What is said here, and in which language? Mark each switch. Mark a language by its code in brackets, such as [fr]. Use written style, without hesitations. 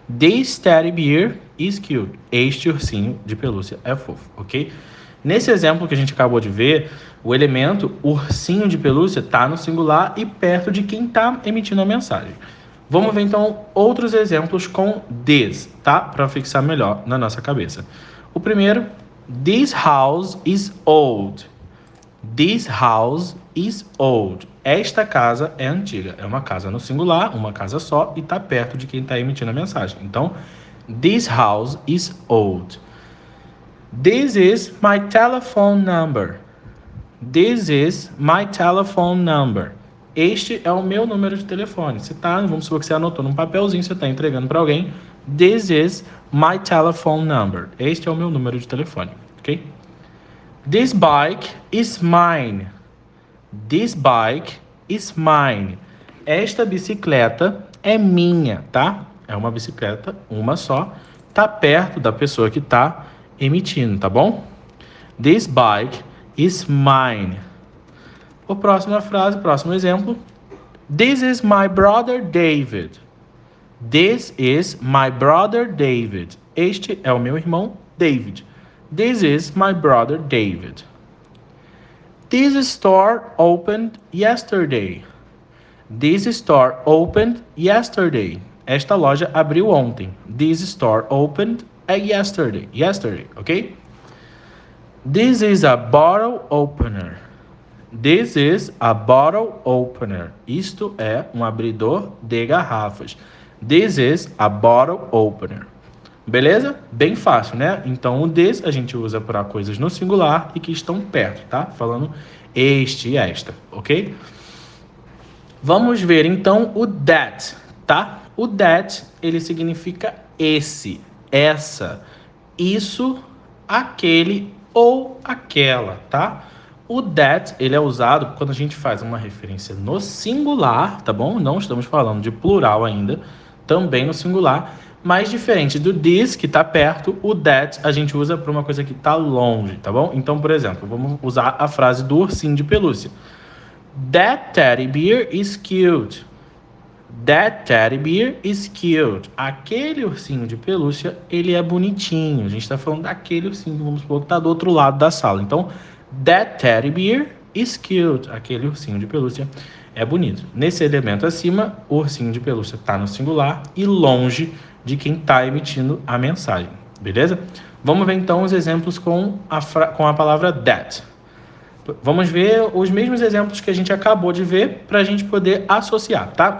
[en] This teddy bear is cute. [pt] Este ursinho de pelúcia é fofo, ok? Nesse exemplo que a gente acabou de ver, o elemento ursinho de pelúcia está no singular e perto de quem está emitindo a mensagem. Vamos ver então outros exemplos com this, tá? Para fixar melhor na nossa cabeça. O primeiro, [en] this house is old. This house is old. [pt] Esta casa é antiga. É uma casa no singular, uma casa só, e está perto de quem está emitindo a mensagem. [en] Então, this house is old. This is my telephone number. This is my telephone number. [pt] Este é o meu número de telefone. Você tá, vamos supor que você anotou num papelzinho, você está entregando para alguém. [en] This is my telephone number. [pt] Este é o meu número de telefone, ok? [en] This bike is mine. This bike is mine. [pt] Esta bicicleta é minha, tá? É uma bicicleta, uma só. Tá perto da pessoa que tá emitindo, tá bom? [en] This bike is mine. [pt] O próxima frase, próximo exemplo. [en] This is my brother David. This is my brother David. [pt] Este é o meu irmão David. [en] This is my brother David. This store opened yesterday. This store opened yesterday. [pt] Esta loja abriu ontem. [en] This store opened yesterday. Yesterday, ok? This is a bottle opener. This is a bottle opener. [pt] Isto é um abridor de garrafas. [en] This is a bottle opener. [pt] Beleza? Bem fácil, né? Então, o this a gente usa para coisas no singular e que estão perto, tá? Falando este e esta, ok? Vamos ver, então, o that, tá? O that, ele significa esse, essa, isso, aquele ou aquela, tá? O that, ele é usado quando a gente faz uma referência no singular, tá bom? Não estamos falando de plural ainda, também no singular. Mas diferente do this, que está perto, o that a gente usa para uma coisa que está longe, tá bom? Então, por exemplo, vamos usar a frase do ursinho de pelúcia. [en] That teddy bear is cute. That teddy bear is cute. [pt] Aquele ursinho de pelúcia, ele é bonitinho. A gente está falando daquele ursinho, vamos supor, que está do outro lado da sala. [en] Então, that teddy bear is cute. [pt] Aquele ursinho de pelúcia é bonito. Nesse elemento acima, o ursinho de pelúcia está no singular e longe de quem está emitindo a mensagem, beleza? Vamos ver então os exemplos com a palavra that. Vamos ver os mesmos exemplos que a gente acabou de ver para a gente poder associar, tá?